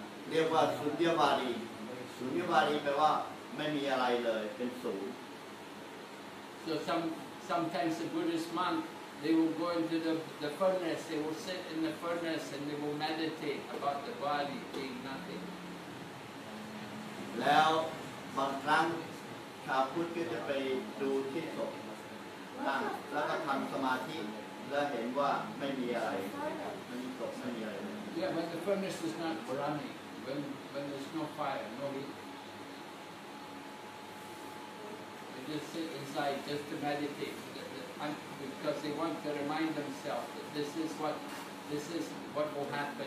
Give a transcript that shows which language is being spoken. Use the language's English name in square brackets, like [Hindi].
[English] Deva sunyavadi, sunyavadi means [Thai] ไม่มีอะไรเลยเป็นศูนย์. [English] So sometimes the Buddhist monk they will go into the furnace, they will sit in the furnace and they will meditate about the body being nothing. [Thai] แล้ว บางครั้งชาวพุทธก็จะไปดูที่ศพแล้วก็ทำสมาธิแล้วเห็นว่าไม่มีอะไรไม่มีศพไม่มีอะไร [English] Yeah, when the furnace is not burning, when there's no fire, no heat, they just sit inside just to meditate because they want to remind themselves that this is what will happen.